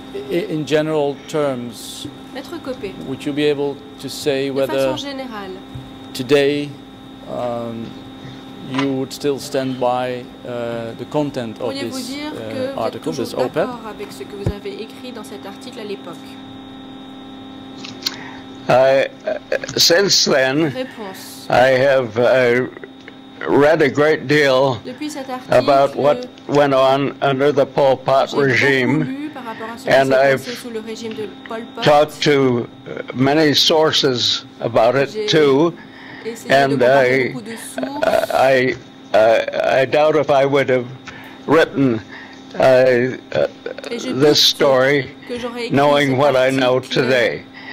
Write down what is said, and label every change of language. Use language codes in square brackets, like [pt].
[en] In general terms, would you be able to say whether today you would still stand by the content of this article, this op-ed? [fr] Avec ce que vous avez écrit dans cet article à l'époque? [en] Since then, I have read a great deal about what went on under the Pol Pot regime, and I've talked to many sources about it too, and I doubt if I would have written this story knowing what I know today.